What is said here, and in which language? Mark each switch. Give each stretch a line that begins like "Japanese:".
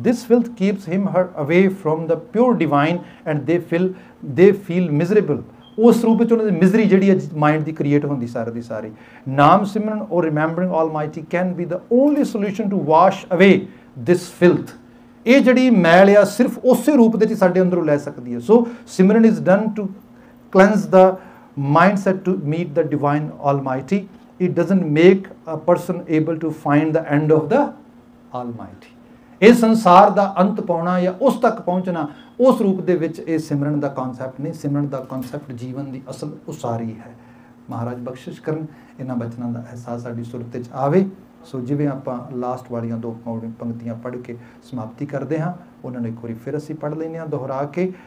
English: this filth keeps him her away from the pure divine and they feel miserable,
Punjabi: ਉਸ ਰੂਪ ਵਿੱਚ ਉਹਨਾਂ ਦੀ ਮਿਜ਼ਰੀ ਜਿਹੜੀ ਹੈ ਮਾਇੰਡ ਦੀ ਕ੍ਰੀਏਟ ਹੁੰਦੀ ਸਾਰੀ ਦੀ ਸਾਰੀ।
English: naam simran or remembering almighty can be the only solution to wash away this filth,
Punjabi: ਇਹ ਜਿਹੜੀ ਮੈਲ ਆ ਸਿਰਫ ਉਸੇ ਰੂਪ ਦੇ ਵਿੱਚ ਸਾਡੇ ਅੰਦਰੋਂ ਲੈ ਸਕਦੀ ਹੈ।
English: So simran is done to cleanse the mindset to meet the divine almighty, it doesn't make a person able to find the end of the almighty.
Punjabi: ਇਹ ਸੰਸਾਰ ਦਾ ਅੰਤ ਪਾਉਣਾ ਜਾਂ ਉਸ ਤੱਕ ਪਹੁੰਚਣਾ, ਉਸ ਰੂਪ ਦੇ ਵਿੱਚ ਇਹ ਸਿਮਰਨ ਦਾ ਕੰਸੈਪਟ ਨਹੀਂ. ਸਿਮਰਨ ਦਾ ਕੰਸੈਪਟ ਜੀਵਨ ਦੀ ਅਸਲ ਉਸਾਰੀ ਹੈ. ਮਹਾਰਾਜ ਬਖਸ਼ਿਸ਼ ਕਰਨ, ਇਹਨਾਂ ਬਚਨਾਂ ਦਾ ਅਹਿਸਾਸ ਸਾਡੀ ਸੁਰਤ 'ਚ ਆਵੇ. ਸੋ ਜਿਵੇਂ ਆਪਾਂ ਲਾਸਟ ਵਾਲੀਆਂ ਦੋ ਪੰਕਤੀਆਂ ਪੜ੍ਹ ਕੇ ਸਮਾਪਤੀ ਕਰਦੇ ਹਾਂ, ਉਹਨਾਂ ਨੂੰ ਇੱਕ ਵਾਰੀ ਫਿਰ ਅਸੀਂ ਪੜ੍ਹ ਲੈਂਦੇ ਹਾਂ ਦੁਹਰਾ ਕੇ.